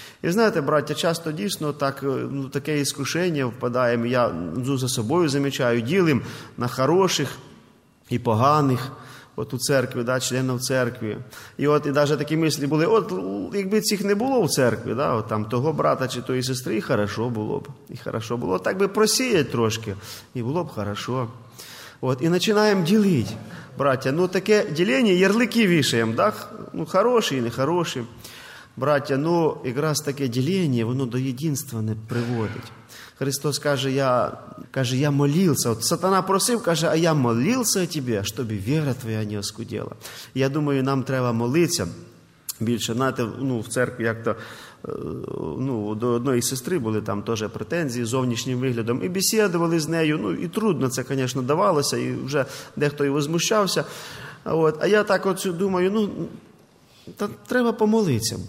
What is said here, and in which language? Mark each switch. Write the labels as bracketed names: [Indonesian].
[Ukrainian] І знаєте, браття, часто дійсно так, ну, таке іскушення впадає, я за собою замічаю, ділим на хороших і поганих от у церкві, да, членів церкві. І от і навіть такі мислі були, от якби цих не було в церкві, да, от там того брата чи тої сестри, хорошо було б, і хорошо було. От так би просіяти трошки, і було б хорошо. От, і починаємо ділити. [Russian] братья. Ну, таке деление, ярлыки вишаем, да? Ну, хороший, нехороший, братья. Ну, как раз таке деление, воно до единства не приводит. Христос каже, я молился. [Ukrainian] От сатана просив, [Russian] каже, а я молился о тебе, чтобы вера твоя не оскудела. [Ukrainian] Я думаю, нам треба молиться більше. Знаєте, ну, в церкві як-то, ну, до одної сестри були там теж претензії зовнішнім виглядом. І бесідували з нею, ну, і трудно це, звісно, давалося, і вже дехто і возмущався. От. А я так от думаю, ну, та треба помолитися.